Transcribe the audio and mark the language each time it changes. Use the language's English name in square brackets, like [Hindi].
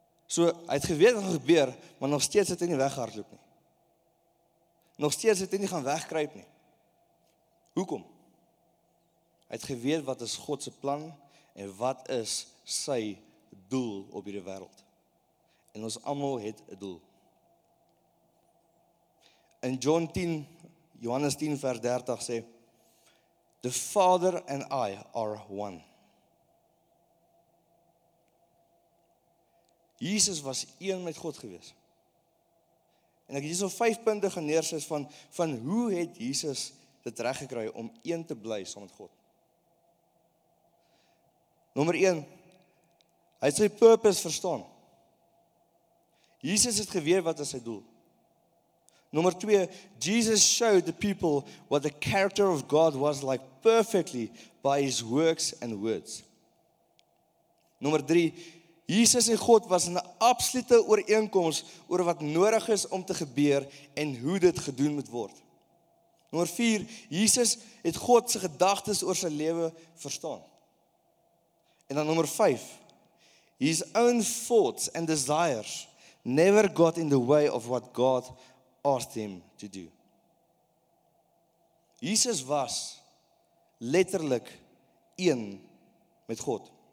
[Afrikaans] So, hy het geweet wat gaan gebeur, maar nog steeds het hy nie weggehardloop nie. Nog steeds het hy nie gaan wegkruip nie. Hoekom? Hy het geweet wat is God se plan en wat is sy doel op hierdie wêreld. En ons allemaal het 'n doel. In John 10, Johannes 10 vers 30 sê, [English] The Father and I are one. [Afrikaans] Jesus was een met God gewees. En ek het hier so 5 punte geneersis van hoe het Jesus dit reg gekry om een te bly saam met God. Nommer 1, hy het sy purpose verstaan. Jesus het geweet wat is sy doel. Nommer 2, [English] Jesus showed the people what the character of God was like perfectly by his works and words. [Afrikaans] Nommer 3, Jesus en God was in 'n absolute ooreenkoms oor wat nodig is om te gebeur en hoe dit gedoen moet word. Nommer 4, Jesus het God se gedagtes oor sy lewe verstaan. En dan nommer 5, [English] his own thoughts and desires never got in the way of what God asked him to do. [Afrikaans] Jesus was letterlik een met God.